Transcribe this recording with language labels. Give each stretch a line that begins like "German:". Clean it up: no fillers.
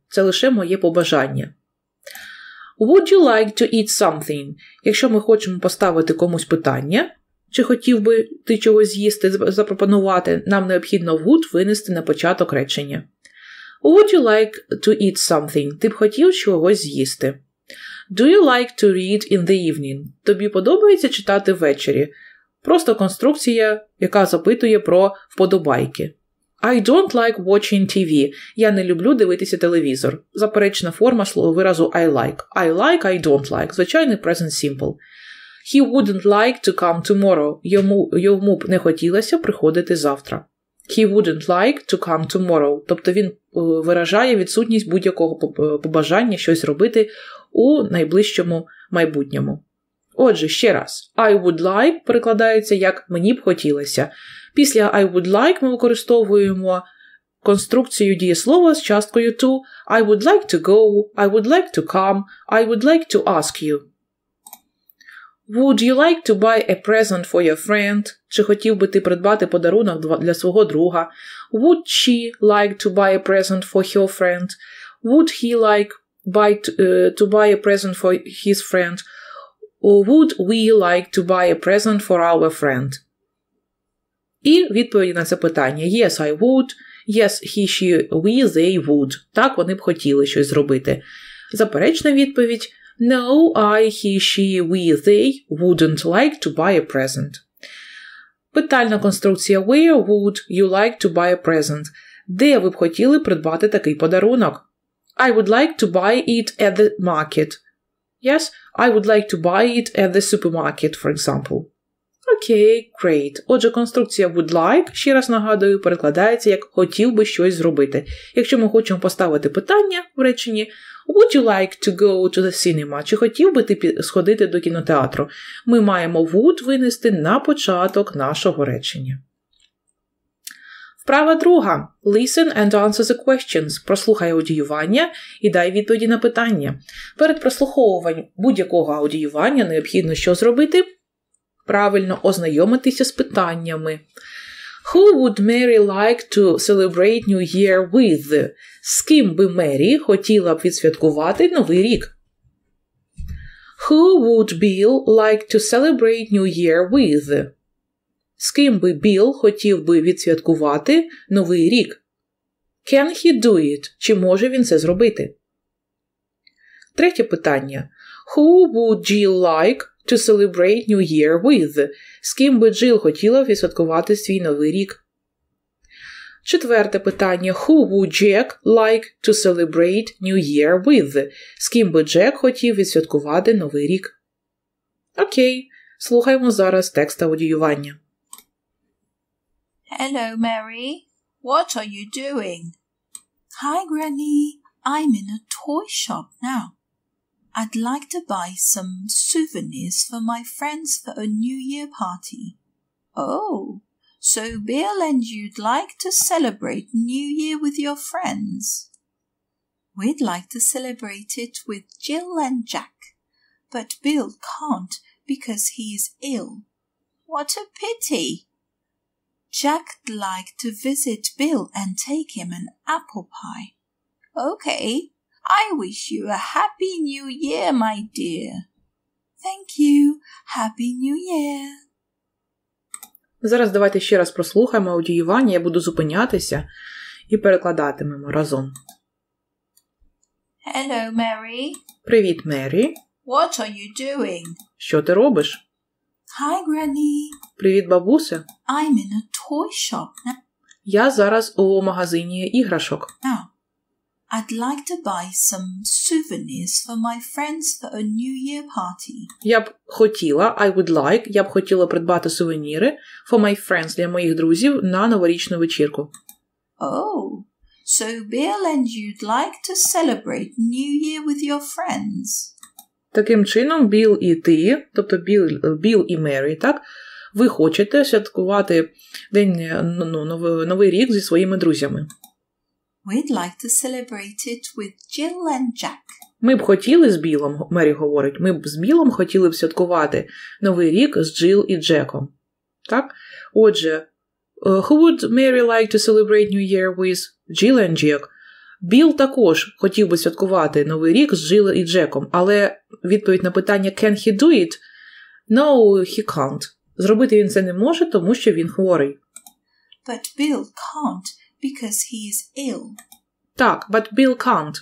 Ukrainian: Це лише моє побажання.
English: Would you like to eat something?
Ukrainian: Якщо ми хочемо поставити комусь питання, чи хотів би ти чогось з'їсти, запропонувати, нам необхідно would винести на початок речення.
English: Would you like to eat something?
Ukrainian: Ти б хотів чогось з'їсти.
English: Do you like to read in the evening?
Ukrainian: Тобі подобається читати ввечері? Просто конструкція, яка запитує про вподобайки.
English: I don't like watching TV.
Ukrainian: Я не люблю дивитися телевізор. Заперечна форма слововиразу
English: I like. I like, I don't like. Звичайний present simple. He wouldn't like to come tomorrow.
Ukrainian: Йому б не хотілося приходити завтра.
English: He wouldn't like to come tomorrow.
Ukrainian: Тобто він виражає відсутність будь-якого побажання щось робити у найближчому майбутньому. Отже, ще раз.
English: I would like
Ukrainian: перекладається як «мені б хотілося». Після
English: I would like
Ukrainian: ми використовуємо конструкцію дієслова з часткою to.
English: I would like to go, I would like to come, I would like to ask you. Would you like to buy a present for your friend?
Ukrainian: Чи хотів би ти придбати подарунок для свого друга?
English: Would she like to buy a present for her friend? Would he like to buy a present for his friend? Would we like to buy a present for our friend?
Ukrainian: І відповіді на це питання.
English: Yes, I would. Yes, he, she, we, they would.
Ukrainian: Так, вони б хотіли щось зробити. Заперечна відповідь.
English: No, I, he, she, we, they wouldn't like to buy a present.
Ukrainian: Питальна конструкція.
English: Where would you like to buy a present?
Ukrainian: Де ви б хотіли придбати такий подарунок?
English: I would like to buy it at the market. Yes, I would like to buy it at the supermarket, for example.
Ukrainian: Окей, great. Отже, конструкція would like, ще раз нагадую, перекладається як хотів би щось зробити. Якщо ми хочемо поставити питання в реченні,
English: would you like to go to the cinema?
Ukrainian: Чи хотів би ти сходити до кінотеатру? Ми маємо would винести на початок нашого речення. Вправа друга.
English: Listen and answer the questions.
Ukrainian: Прослухай аудіювання і дай відповіді на питання. Перед прослуховуванням будь-якого аудіювання необхідно що зробити? Правильно, ознайомитися з питаннями.
English: Who would Mary like to celebrate New Year with?
Ukrainian: З ким би Мері хотіла б відсвяткувати Новий рік?
English: Who would Bill like to celebrate New Year with?
Ukrainian: З ким би Bill хотів би відсвяткувати Новий рік?
English: Can he do it?
Ukrainian: Чи може він це зробити? Третє питання.
English: Who would Jill like to celebrate New Year with?
Ukrainian: З ким би Джил хотіла відсвяткувати свій Новий рік? Четверте питання.
English: Who would Jack like to celebrate New Year with?
Ukrainian: З ким би Джек хотів відсвяткувати Новий рік? Окей, слухаємо зараз текст аудіювання.
English: Hello, Mary. What are you doing? Hi, Granny. I'm in a toy shop now. I'd like to buy some souvenirs for my friends for a New Year party. Oh, so Bill and you'd like to celebrate New Year with your friends? We'd like to celebrate it with Jill and Jack, but Bill can't because he is ill. What a pity! Jack'd like to visit Bill and take him an apple pie. Okay. I wish you a happy new year, my dear. Thank you. Happy new year.
Ukrainian: Зараз давайте ще раз прослухаємо аудіювання. Я буду зупинятися і перекладатимемо разом.
English: Hello, Mary.
Ukrainian: Привіт, Мері.
English: What are you doing?
Ukrainian: Що ти робиш?
English: Hi, Granny.
Ukrainian: Привіт, бабуся.
English: I'm in a toy shop.
Ukrainian: Я зараз у магазині іграшок.
English: I'd like to buy some souvenirs for my friends for a New Year party.
Ukrainian: Я б хотіла,
English: I would like,
Ukrainian: я б хотіла придбати сувеніри
English: for my friends,
Ukrainian: для моїх друзів, на новорічну вечірку.
English: Oh, so Bill and you'd like to celebrate New Year with your friends.
Ukrainian: Таким чином, Bill і ти, тобто Bill і Mary, так, ви хочете святкувати день, Новий рік зі своїми друзями.
English: We'd like to celebrate it with Jill and Jack.
Ukrainian: Ми б хотіли з Білом, Мері говорить, ми б з Білом хотіли б святкувати Новий рік з Джил і Джеком. Так?
English: Отже, who would Mary like to celebrate New Year with Jill and Jack?
Ukrainian: Біл також хотів би святкувати Новий рік з Джил і Джеком, але відповідь на питання
English: can he do it? No, he can't.
Ukrainian: Зробити він це не може, тому що він хворий.
English: But Bill can't. Because he is ill. Так, but Bill can't.